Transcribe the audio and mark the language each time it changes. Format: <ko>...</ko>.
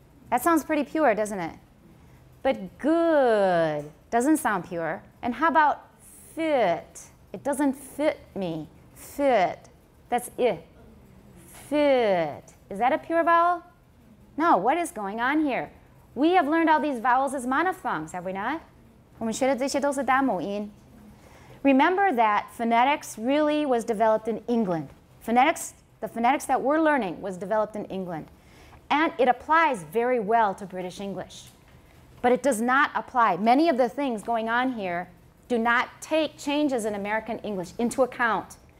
<en>That sounds pretty pure, doesn't it? But good doesn't sound pure. And how about fit? It doesn't fit me. Fit. That's it. Fit. Is that a pure vowel? No, what is going on here? We have learned all these vowels as monophthongs, have we not?</en> <zh>我们学的这些都是单母音.</zh> <en>Remember that phonetics really was developed in England. Phonetics, the phonetics that we're learning was developed in England. And it applies very well to British English. But it does not apply. Many of the things going on here do not take changes in American English into account.</en>